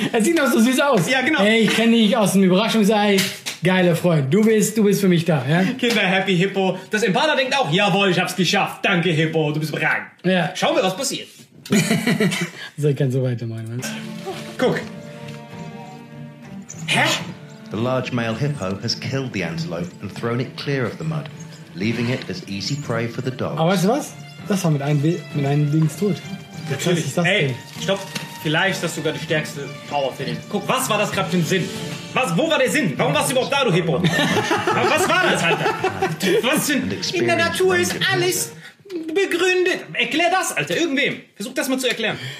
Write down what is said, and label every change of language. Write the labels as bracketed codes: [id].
[de] Er sieht noch so süß aus. Ja, genau. Ey, ich kenne dich aus dem Überraschungsei. Geiler Freund, du bist für mich da, ja? Kinder, happy Hippo. Das Impala denkt auch, jawohl, ich hab's geschafft. Danke, Hippo, du bist brav. Ja. Schauen wir, was passiert. So, ich kann so weitermachen, Mann. Guck. Hä? [en] The large male hippo has killed the antelope and thrown it clear of the mud, leaving it as easy prey for the dogs. [de] Aber weißt du was? Das war mit einem Dings tot. Natürlich. Ist das Ey, stopp. Vielleicht ist das sogar die stärkste Power für den. Guck, was war das gerade für ein Sinn? Was, wo war der Sinn? Warum warst du überhaupt da, du Hippo? Was war das, Alter? Was denn? In der Natur ist alles begründet. Erklär das, Alter, irgendwem. Versuch das mal zu erklären.